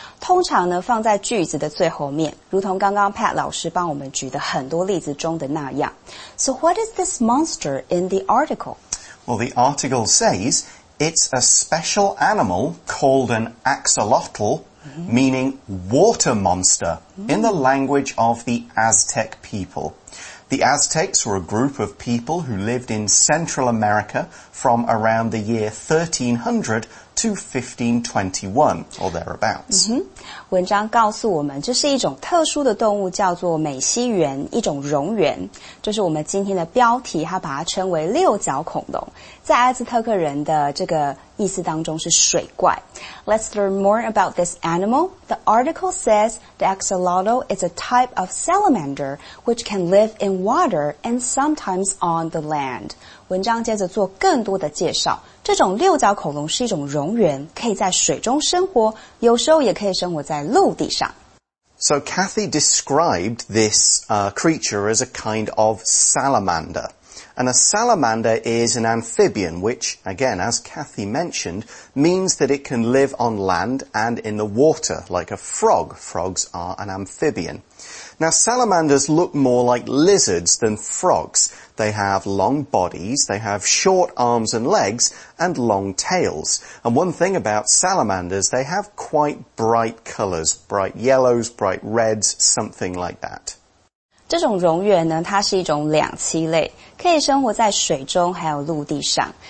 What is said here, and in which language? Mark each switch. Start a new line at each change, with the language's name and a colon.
Chinese: 通常呢放在句子的最后面，如同刚刚 Pat 老师帮我们举的很多例子中的那样。
English: So what is this monster in the article? Well, the article says it's a special animal called an axolotl, meaning water monster, in the language of the Aztec people. The Aztecs were a group of people who lived in Central America from around the year 1300 to 1521, or thereabouts.
Chinese: 文章告诉我们，这是一种特殊的动物，叫做美西螈，一种蝾螈。这是我们今天的标题，它把它称为六角恐龙，在阿兹特克人的这个意思当中是水怪。
English: Let's learn more about this animal. The article says the axolotl is a type of salamander which can live in water and sometimes on the land.
Chinese: 文章接着做更多的介绍。这种六角恐龙是一种蝾螈，可以在水中生活，有时候也可以生活在陆地上。
English: So Kathy described this creature as a kind of salamander. And a salamander is an amphibian, which, again, as Kathy mentioned, means that it can live on land and in the water, like a frog. Frogs are an amphibian. Now, salamanders look more like lizards than frogs. They have long bodies, they have short arms and legs, and long tails. And one thing about salamanders, they have quite bright colors, bright yellows, bright reds, something like that.
Chinese: 这种蝾螈呢，它是一种两栖类，可以生活在水中还有陆地上。